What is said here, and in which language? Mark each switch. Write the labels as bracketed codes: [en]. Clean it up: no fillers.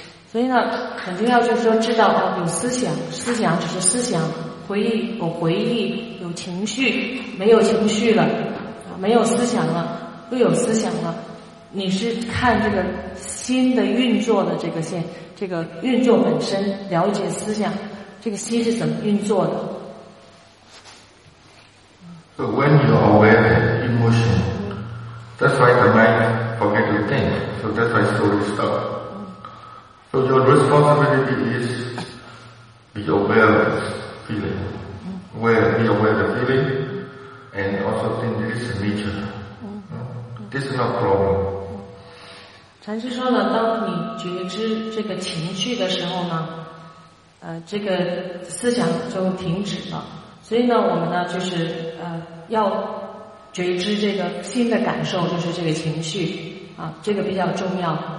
[zh] 所以呢很重要，就是说知道有思想，思想只是思想，回忆有回忆，有情绪，没有情绪了，没有思想了，又有思想了，你是看这个心的运作的这个线，这个运作本身，了解思想，这个心是怎么运作的。 [en] So when you are aware of emotion, that's why the mind forget to think. So that's why story stop. So your responsibility is be aware of this feeling. Be aware of the feeling and also think this is nature. This is not problem. [zh] 禅师说了，当你觉知这个情绪的时候呢，这个思想就停止了。所以呢，我们呢就是要觉知这个新的感受，就是这个情绪啊，这个比较重要。